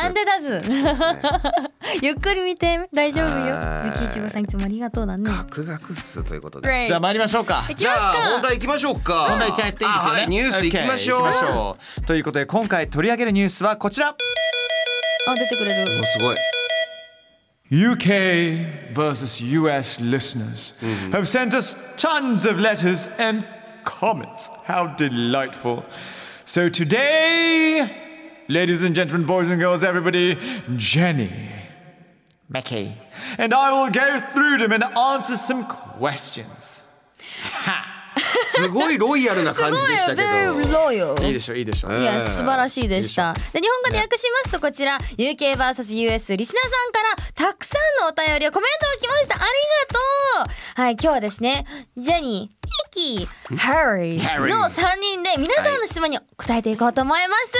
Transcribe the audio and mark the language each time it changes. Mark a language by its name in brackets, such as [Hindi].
[Japanese] なんでだず。ゆっくり見て大丈夫よ。ゆきいちごさんいつもありがとうだね。ガクガクっすということで、じゃあ参りましょうか。じゃあ本題いきましょうか。本題ちゃっていいですよね。ニュースいきましょう。 [English] okay, [Japanese] ましょう、うん、ということで今回取り上げるニュースはこちら。あ、出てくれる。おすごい。 [English] UK versus US listeners have sent us tons of letters and comments. How delightful. So today, ladies and gentlemen, boys and girls, everybody, Jenny, Mickey, and I will go through them and answer some questions. Ha! [Japanese] すごいロイヤルな感じでしたけど。すごい、ロイヤル。いいでしょ、いいでしょ。いや、素晴らしいでした。で、日本語で訳しますと、こちら、UK vs US リスナーさんから、たくさんのお便りをコメントが来ました。ありがとう。はい、今日はですね、ジェニー、ミッキー、ハリーの3人で、皆さんの質問に答えていこうと思います。